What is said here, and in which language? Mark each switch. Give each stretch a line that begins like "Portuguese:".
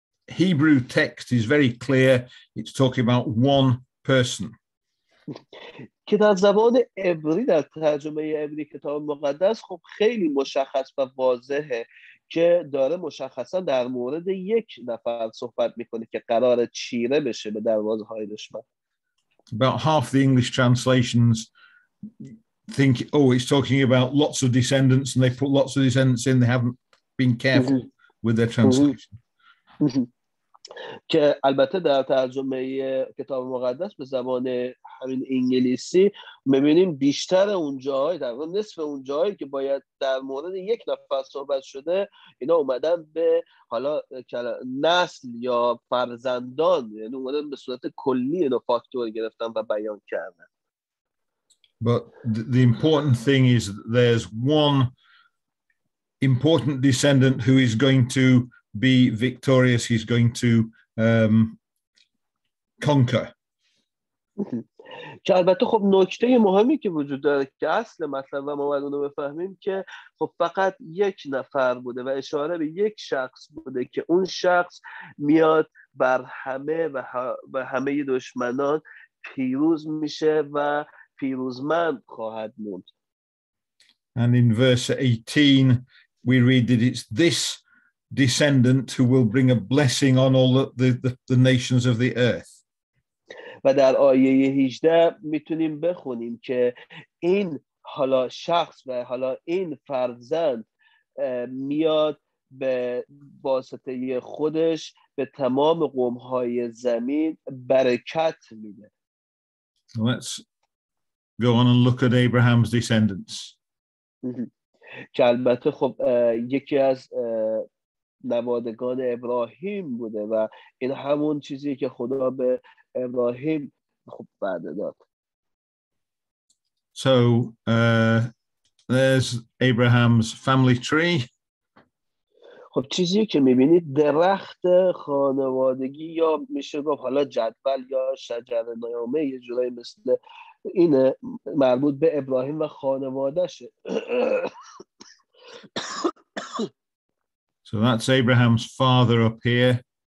English: Hebrew text is very clear. It's talking about one person.
Persian: که در زبان عبری در ترجمه عبری کتاب مقدس خب خیلی مشخص و واضحه که داره مشخصا در مورد یک نفر صحبت میکنه که قرار چیره بشه به دروازه های دشمن.
English: About half the English translations think, oh, it's talking about lots of descendants, and they put lots of descendants in, they haven't been careful with their translation.
Persian: که البته در ترجمه کتاب مقدس به زبان همین انگلیسی می‌بینیم بیشتر اونجاهای در واقع نصف اونجاهایی که باید در مورد یک نفر صحبت شده اینا اومدن به حالا نسل یا فرزندان یعنی اومدن به صورت کلی اینو فاکتور گرفتن و بیان کردن.
English: But the important thing is that there's one important descendant who is going to be victorious, he's going to conquer.
Persian: که البته خب نکته مهمی که وجود داره که اصل مطلب و ما باید اونو بفهمیم که خب فقط یک نفر بوده و اشاره به یک شخص بوده که اون شخص میاد بر همه و همه دشمنان پیروز میشه و پیروزمند خواهد موند.
English: And in verse 18 we read that it's this descendant who will bring a blessing on all the nations of the earth.
Persian: و در آیه 18 میتونیم بخونیم که این حالا شخص و حالا این فرزند میاد به واسطه خودش به تمام قوم‌های زمین برکت میده.
English: Let's go on and look at Abraham's descendants.
Persian: که البته خب یکی از نوادگان ابراهیم بوده و این همون چیزی که خدا به ابراهیم خب وعده داد.
English: So there's Abraham's family tree.
Persian: خب چیزی که میبینید درخت خانوادگی یا میشه گفت حالا جدول یا شجره نامه یه جورایی مثل این مربوط به ابراهیم و خانوادهشه.
English: So that's Abraham's father up here.